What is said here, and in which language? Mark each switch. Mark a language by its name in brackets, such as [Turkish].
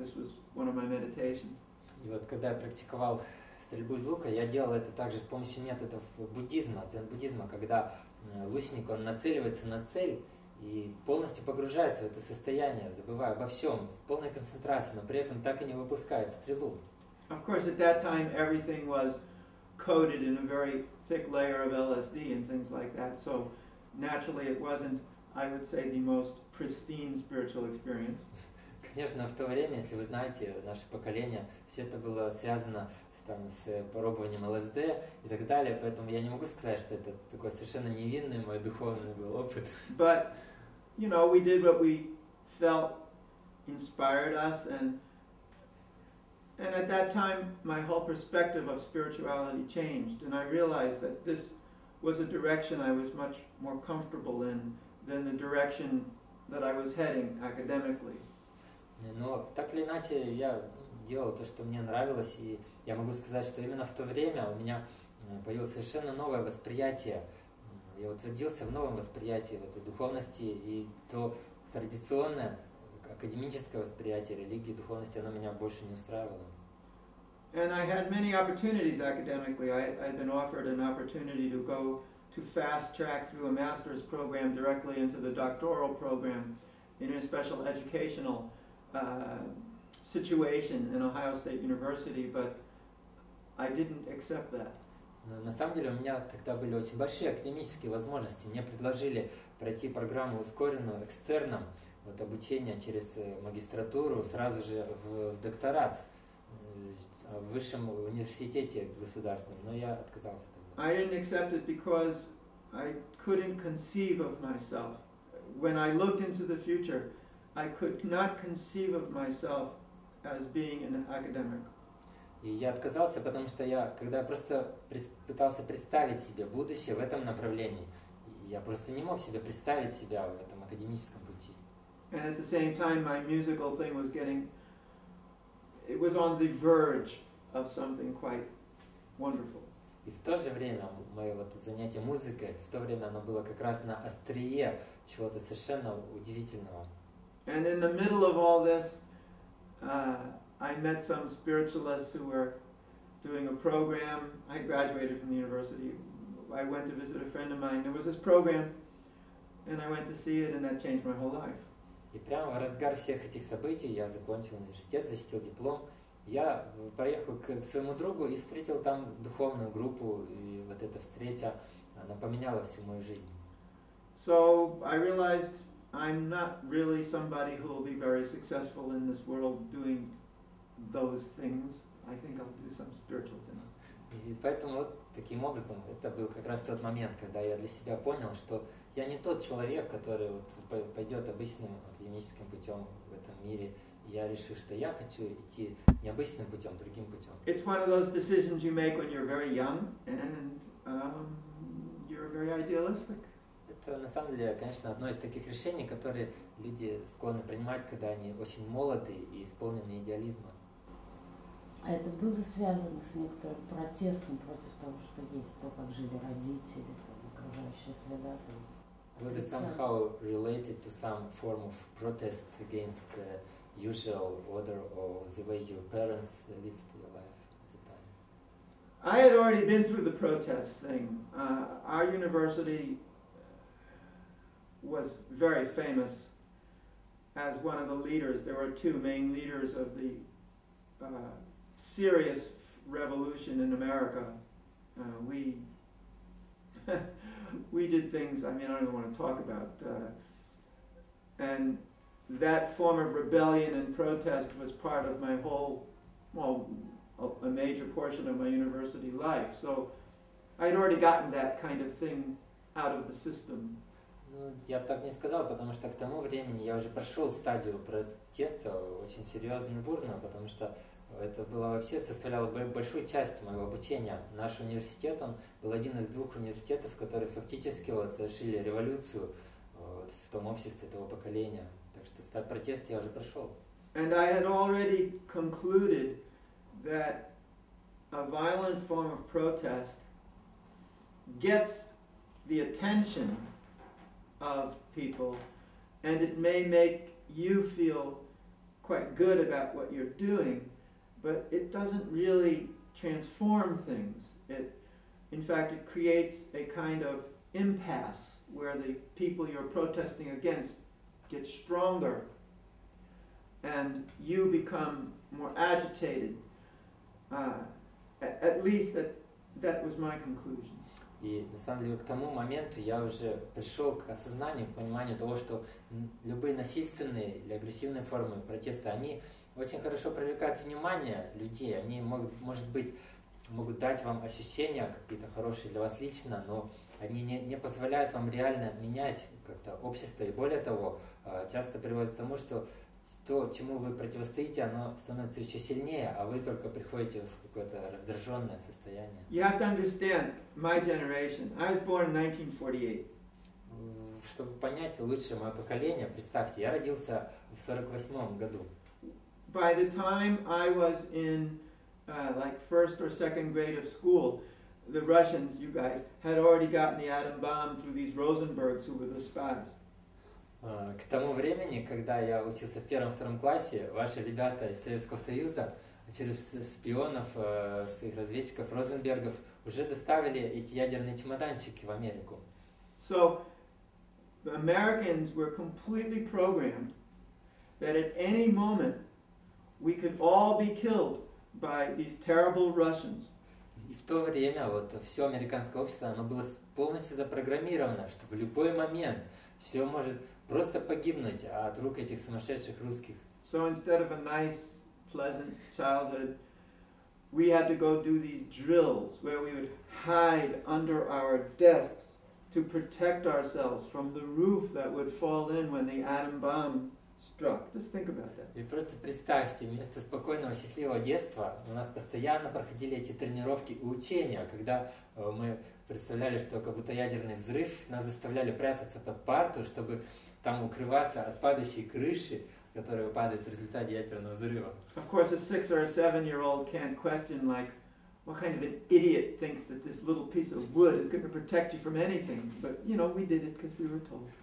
[English] This was one of my meditations. [Russian] И вот когда я практиковал стрельбу из лука, я делал это также с помощью методов буддизма, дзен-буддизма, когда лучник, он нацеливается на цель и полностью погружается в это состояние, забывая обо всем, с полной концентрацией, но при этом так и не выпускает стрелу. [English] Of course, at that time, everything was coated in a very thick layer of LSD and things like that, so naturally it wasn't, I would say, the most pristine spiritual experience. [Russian] Конечно, в то время, если вы знаете, наше поколение, все это было связано там, с пробованием ЛСД и так далее, поэтому я не могу сказать, что это такой совершенно невинный мой духовный был опыт. [English] But, you know, we did what we felt inspired us, and at that time my whole perspective of spirituality changed, and I realized that this was a direction I was much more comfortable in than the direction that I was heading academically. [Russian] Но так или иначе я делал то, что мне нравилось, и я могу сказать, что именно в то время у меня появилось совершенно новое восприятие. Я утвердился в новом восприятии этой духовности, и то традиционное академическое восприятие религии, духовности, оно меня больше не устраивало. [English] And I had many opportunities academically. I'd been offered an opportunity to go to fast track through a master's program directly into the doctoral program in a special educational situation in Ohio State University, but I didn't accept that. [Russian] На самом деле у меня тогда были очень большие академические возможности. Мне предложили пройти программу ускоренную экстерном, вот обучение через магистратуру сразу же в докторат в высшем университете государственном, но я отказался тогда. [English] I didn't accept it because I couldn't conceive of myself. When I looked into the future, I could not conceive of myself as being an academic. [Russian] И я отказался, потому что я, когда я просто пытался представить себе будущее в этом направлении, я просто не мог себе представить себя в этом академическом пути. [English] And at the same time, my musical thing was getting, it was on the verge of something quite wonderful. [Russian] И в то же время мое вот занятие музыкой, в то время оно было как раз на острие чего-то совершенно удивительного. [English] And in the middle of all this, I met some spiritualists who were doing a program. I graduated from the university. I went to visit a friend of mine. There was this program, and I went to see it, and that changed my whole life. [Russian] И прямо в разгар всех этих событий я закончил университет, защитил диплом. Я поехал к своему другу и встретил там духовную группу, и вот эта встреча, она поменяла всю мою жизнь. [English] So I realized I'm not really somebody who will be very successful in this world doing those things. I think I'll do some spiritual things. [Russian] И поэтому вот таким образом, это был как раз тот момент, когда я для себя понял, что я не тот человек, который вот пойдет обычным академическим путем в этом мире. Я решил, что я хочу идти не обычным путем, другим путем. [English] It's one of those decisions you make when you're very young and you're very idealistic. [Russian] Это, на самом деле, конечно, одно из таких решений, которые люди склонны принимать, когда они очень молоды и исполнены идеализма. А это было связано с некоторым протестом против того, что есть, то, как жили родители, окружающая среда? [English] Was it somehow related to some form of protest against the usual order or the way your parents lived your life? I had already been through the protest thing. Our university was very famous as one of the leaders. There were two main leaders of the serious revolution in America. We did things, I mean, I don't even want to talk about. And that form of rebellion and protest was part of my whole, well, a major portion of my university life. So I'd already gotten that kind of thing out of the system. [Russian] Ну, я бы так не сказал, потому что к тому времени я уже прошел стадию протеста очень серьезно и бурно, потому что это было вообще составляло большую часть моего обучения. Наш университет, он был один из двух университетов, которые фактически вот совершили революцию вот, в том обществе этого поколения. Так что стадию протеста я уже прошел. [English] And I had already concluded that a violent form of protest gets the attention of people, and it may make you feel quite good about what you're doing, but it doesn't really transform things. It, in fact, it creates a kind of impasse where the people you're protesting against get stronger, and you become more agitated. At least that was my conclusion. [Russian] И, на самом деле, к тому моменту я уже пришел к осознанию, к пониманию того, что любые насильственные или агрессивные формы протеста, они очень хорошо привлекают внимание людей, они, может быть, могут дать вам ощущения какие-то хорошие для вас лично, но они не позволяют вам реально менять как-то общество. И более того, часто приводит к тому, что то, чему вы противостоите, оно становится еще сильнее, а вы только приходите в какое-то раздраженное состояние. [English] You have to understand my generation. I was born in 1948. [Russian] Чтобы понять лучше мое поколение, представьте, я родился в 48-м году. [English] By the time I was in like first or second grade of school, the Russians, you guys, had already gotten the atom bomb through these Rosenbergs, who were the spies. [Russian] К тому времени, когда я учился в первом-втором классе, ваши ребята из Советского Союза через шпионов, своих разведчиков, Розенбергов, уже доставили эти ядерные чемоданчики в Америку. [English] So, the Americans were completely programmed that at any moment we could all be killed by these terrible Russians. [Russian] И в то время вот все американское общество, оно было полностью запрограммировано, что в любой момент все может просто погибнуть от рук этих сумасшедших русских. [English] So instead of a nice, pleasant childhood, we had to go do these drills where we would hide under our desks to protect ourselves from the roof that would fall in when the atom bomb struck. Just think about that. [Russian] И просто представьте, вместо спокойного, счастливого детства у нас постоянно проходили эти тренировки и учения, когда мы представляли, что как будто ядерный взрыв, нас заставляли прятаться под парту, чтобы там укрываться от падающей крыши, которая падает в результате ядерного взрыва. [English] Of course, a 6 or 7-year-old can't question like, what kind of an idiot thinks that this little piece of wood is going to protect you from anything? But you know, we did it because we were told.